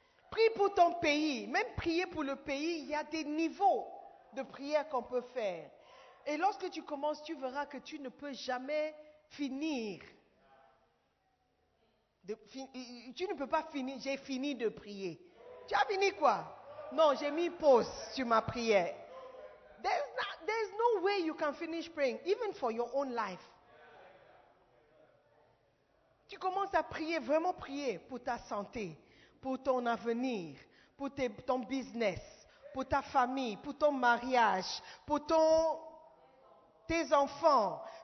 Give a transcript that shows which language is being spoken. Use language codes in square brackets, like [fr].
[fr] Prie pour ton pays. Même prier pour le pays, il y a des niveaux de prière qu'on peut faire. Et lorsque tu commences, tu verras que tu ne peux jamais finir. Tu ne peux pas finir. J'ai fini de prier. Tu as fini quoi? Non, j'ai mis pause sur ma prière. [en] There's no way you can finish praying, even for your own life. [fr] Tu commences à prier, vraiment prier pour ta santé, pour ton avenir, pour ton business, pour ta famille, pour ton mariage, pour tes enfants.